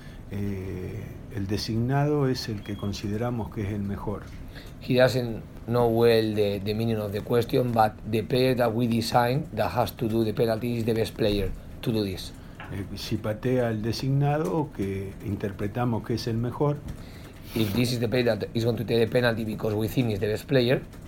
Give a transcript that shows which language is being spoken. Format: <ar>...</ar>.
<es>El designado es el que consideramos que es el mejor.</es> <en>He doesn't know well the meaning of the question, but the player that we design that has to do the penalty is the best player to do this.</en> <es>Si patea el designado, que interpretamos que es el mejor.</es> <en>If this is the player that is going to take the penalty because we think he's the best player,</en>